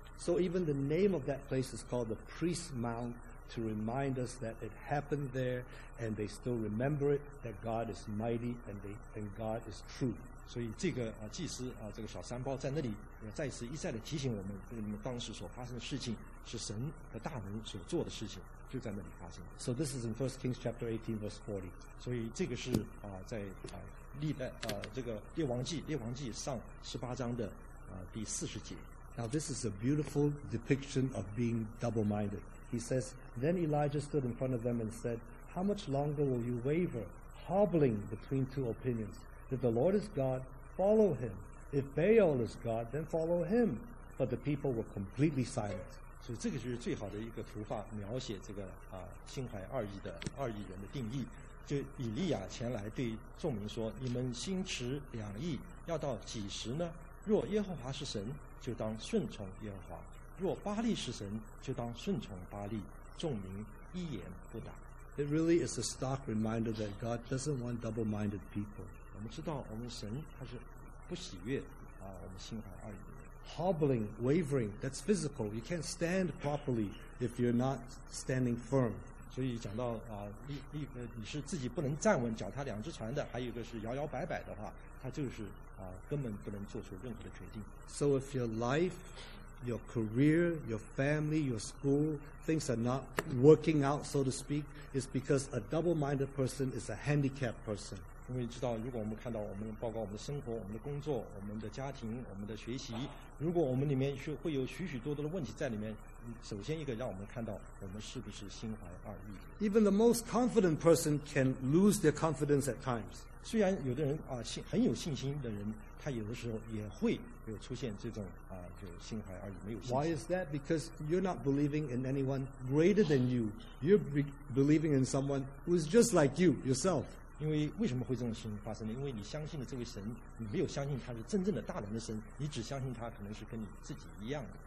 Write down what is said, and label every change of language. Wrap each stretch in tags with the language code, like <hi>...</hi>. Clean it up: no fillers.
<en>So even the name of that place is called the Priest Mound to remind us that it happened there, and they still remember it that God is mighty and God is true.</en> <zh>所以这个祭司这个小三胞在那里再次一再的提醒我们，这个里面当时所发生的事情是神的大能所做的事情，就在那里发生。</zh> <en>So this is in 1 Kings chapter 18 verse 40.</en> <zh>所以这个是在历代这个列王记上十八章的第四十节。</zh> <en>Now this is a beautiful depiction of being double-minded. He says, "Then Elijah stood in front of them and said, 'How much longer will you waver, hobbling between two opinions? If the Lord is God, follow him. If Baal is God, then follow him.' But the people were completely silent."</en> <zh>所以这个就是最好的一个图画，描写这个心怀二意人的定义。就以利亚前来对众民说：“你们心持两意，要到几时呢？若耶和华是神，就当顺从耶和华；若巴利是神，就当顺从巴利。” 众民一言不答。</zh> <en>It really is a stark reminder that God doesn't want double-minded people.</en> <zh>我们知道，我们神他是不喜悦我们心怀二意。</zh> <en>Hobbling, wavering—that's physical. You can't stand properly if you're not standing firm.</en> <zh>所以讲到你是自己不能站稳，脚踏两只船的，还有一个是摇摇摆摆的话，他就是根本不能做出任何的决定。</zh> <en>So if your life, your career, your family, your school, things are not working out, so to speak, it's because a double-minded person is a handicapped person.</en> <zh>因为知道，如果我们看到我们报告我们的生活、我们的工作、我们的家庭、我们的学习，如果我们里面会有许许多多的问题在里面，首先一个让我们看到我们是不是心怀二意。</zh> <en>Even the most confident person can lose their confidence at times.</en> <zh>虽然有的人很有信心的人，他有的时候也会有出现这种就心怀二意，没有信心。</zh> <en>Why is that? Because you're not believing in anyone greater than you. You're believing in someone who is just like you yourself.</en> <zh>因为为什么会这种事情发生呢？因为你相信的这位神，你没有相信他是真正的大能的神，你只相信他可能是跟你自己一样的。</zh>